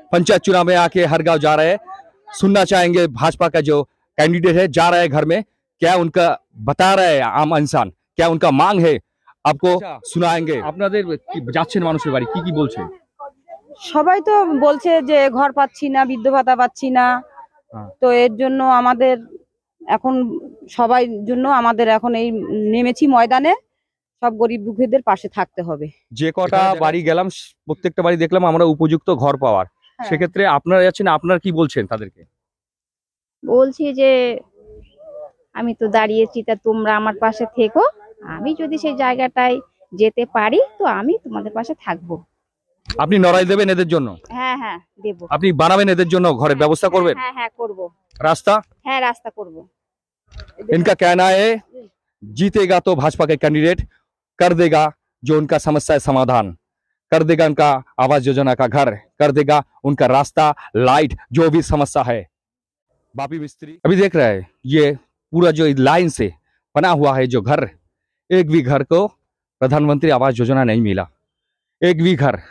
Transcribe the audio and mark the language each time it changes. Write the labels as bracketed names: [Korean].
[Hindi] पंचायत चुनाव में आके हर गांव जा रहे हैं, सुनना चाहेंगे भाजपा का जो कैंडिडेट है जा रहा है घर में, क्या उनका बता रहा है आम इंसान, क्या उनका मांग है आपको सुनाएंगे। [Bangla] আপনাদের যাচ্ছেন মানুষের বাড়ি কি কি বলছে? সবাই তো বলছে যে ঘর পাচ্ছি না, বিদ্য ভাতা পাচ্ছি না, তো এর জন্য আমাদের এখন সবাই জন্য আমাদের এখন এই নেমেছি ময়দানে, সব গরিব দুঃখীদের পাশে থাকতে হবে। যে কটা বাড়ি গেলাম প্রত্যেকটা বাড়ি দেখলাম আমরা উপযুক্ত ঘর পাওয়ার, সেক্ষেত্রে আপনারা যাচ্ছেন আপনারা কি বলছেন তাদেরকে? বলছি যে আমি তো দাঁড়িয়েছি, তা তোমরা আমার পাশে থেকো, আমি যদি সেই জায়গাটায় যেতে পারি তো আমি তোমাদের পাশে থাকবো। আপনি নড়াই দেবেন এদের জন্য? হ্যাঁ হ্যাঁ দেব। আপনি বানাবেন এদের জন্য ঘরের ব্যবস্থা করবেন? হ্যাঁ হ্যাঁ করব। রাস্তা? হ্যাঁ রাস্তা করব। [Hindi] इनका कहना है जीतेगा तो भाजपा के कैंडिडेट कर देगा जो उनका समस्या है समाधान, कर देगा उनका आवास योजना का घर, कर देगा उनका रास्ता लाइट जो भी समस्या है। बापी मिस्त्री अभी देख रहे हैं ये पूरा जो लाइन से बना हुआ है जो घर, एक भी घर को प्रधानमंत्री आवास योजना नहीं मिला, एक भी घर।